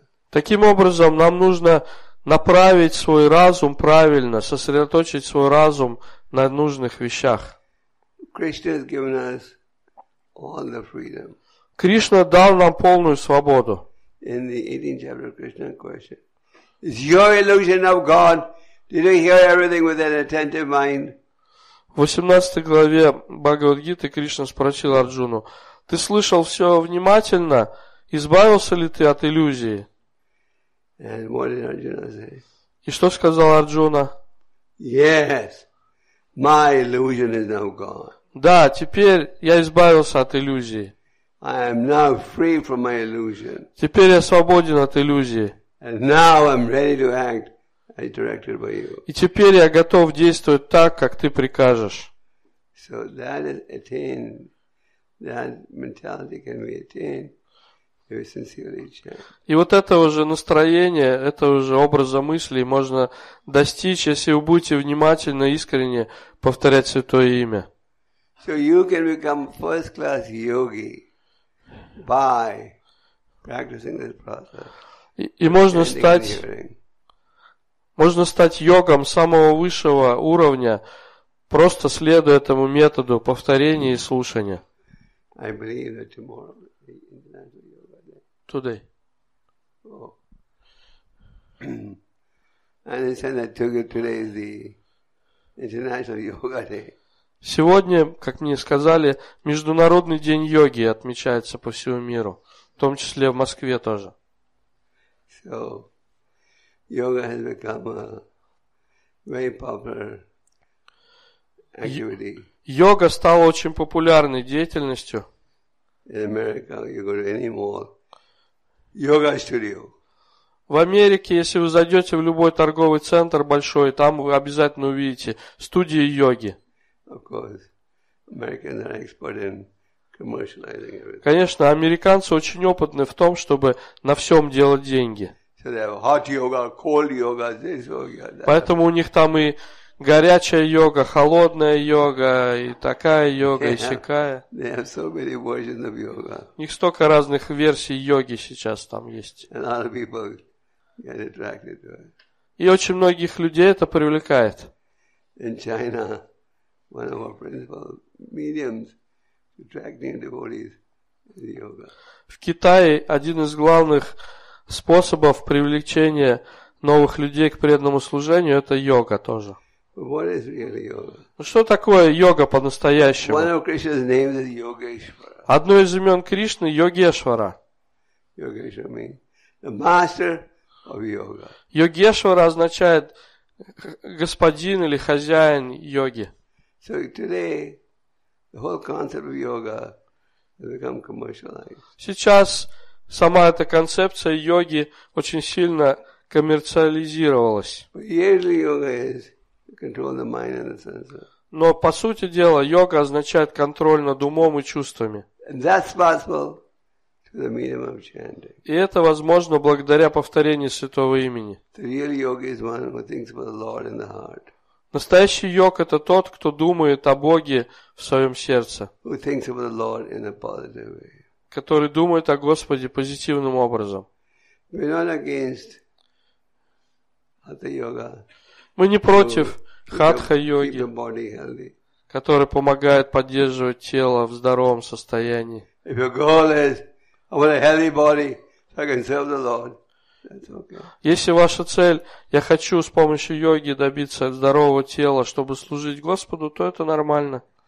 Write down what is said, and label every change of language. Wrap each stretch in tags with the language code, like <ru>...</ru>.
<ru>Таким образом, нам нужно направить свой разум правильно, сосредоточить свой разум на нужных вещах. Кришна дал нам полную свободу.</ru> <en>In the 18th chapter of Krishna question, is your illusion of God? Did you hear everything with an attentive mind?</en> <ru>В 18 главе Бхагавад-гиты Кришна спросил Арджуну: ты слышал все внимательно? Избавился ли ты от иллюзии?</ru> <en>And what did Arjuna say?</en> <ru>И что сказал Арджуна?</ru> <en>Yes, my illusion is now gone.</en> <ru>Да, теперь я избавился от иллюзии.</ru> <en>I am now free from my illusion.</en> <ru>Теперь я свободен от иллюзии.</ru> <en>And now I'm ready to act as directed by you.</en> <ru>И теперь я готов действовать так, как ты прикажешь.</ru> <en>So that is attained That mentality can be attained with sincerely chant.</en> <ru>И вот этого же настроения, этого же образа мыслей можно достичь, если вы будете внимательно, искренне повторять Святое Имя.</ru> <en>So you can become first-class yogi by practicing this process.</en> <ru>И можно стать йогом самого высшего уровня, просто следуя этому методу повторения и слушания.</ru> <en>I believe that tomorrow is International Yoga Day. Today. Oh. I understand that today is the International Yoga Day.</en> <ru>Сегодня, как мне сказали, Международный день йоги отмечается по всему миру, в том числе в Москве тоже.</ru> <en>So, yoga has become a very popular activity.</en> <ru>Йога стала очень популярной деятельностью.</ru> <en>In America, you go to any mall, yoga studio.</en> <ru>В Америке, если вы зайдете в любой торговый центр большой, там вы обязательно увидите студии йоги.</ru> <en>Of course, Americans are expert in commercializing everything.</en> <ru>Конечно, американцы очень опытны в том, чтобы на всем делать деньги.</ru> <en>So they have hot yoga, cold yoga, this yoga, that.</en> <ru>Поэтому у них там и горячая йога, холодная йога, и такая йога, и сякая.</ru> <en>They have so many versions of yoga.</en> <ru>У них столько разных версий йоги сейчас там есть.</ru> <en>And a lot of people get attracted to it.</en> <ru>И очень многих людей это привлекает.</ru> <en>In China, one of our principal mediums attracting devotees is yoga.</en> <ru>В Китае один из главных способов привлечения новых людей к преданному служению – это йога тоже.</ru> <en>What is really yoga?</en> <ru>Ну, что такое йога по-настоящему?</ru> <en>One of Krishna's names is Yogeshwara.</en> <ru>Одно из имен Кришны – Йогешвара.</ru> <en>Yogeshwara means the master of yoga.</en> <ru>Йогешвара означает господин или хозяин йоги.</ru> <en>So today, the whole concept of yoga has become commercialized.</en> <ru>Сейчас сама эта концепция йоги очень сильно коммерциализировалась.</ru> <en>Usually yoga is control the mind and the senses.</en> <ru>Но по сути дела йога означает контроль над умом и чувствами.</ru> <en>And that's possible through the medium of chanting.</en> <ru>И это возможно благодаря повторению Святого Имени.</ru> <en>The real yoga is one who thinks about the Lord in the heart.</en> <ru>Настоящий йог – это тот, кто думает о Боге в своем сердце.</ru> <en>Who thinks about the Lord in a positive way.</en> <ru>Который думает о Господе позитивным образом.</ru> <en>We're not against hatha yoga.</en> <ru>Мы не против хатха-йоги, который помогает поддерживать тело в здоровом состоянии.</ru> <en>If your goal is, I want a healthy body, so I can serve the Lord.</en> <ru>Если ваша цель, я хочу с помощью йоги добиться здорового тела, чтобы служить Господу, то это нормально.</ru>